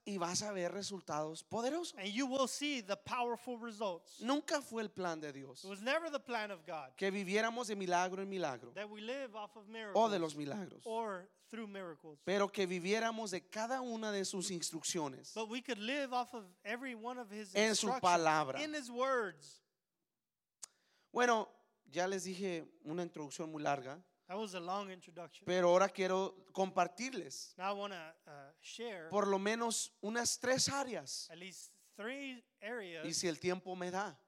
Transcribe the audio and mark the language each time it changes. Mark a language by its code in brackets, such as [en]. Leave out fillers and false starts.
[es] y vas a ver resultados poderosos. [en] And you will see the powerful results. [es] Nunca fue el plan de Dios. [en] It was never the plan of God. [es] Que viviéramos de milagro en milagro. [en] That we live off of miracles, [es] o de los milagros. [en] Or through miracles. [es] Pero que viviéramos de cada una de sus instrucciones. [en] But we could live off of every one of his instructions. [es] En su palabra. [en] In his words. [es] Bueno, ya les dije una introducción muy larga. [en] That was a long introduction. [es] Pero ahora quiero compartirles. [en] Now I want to share. [es] Por lo menos unas tres áreas. [en] At least three areas. [es] Y si el tiempo me da.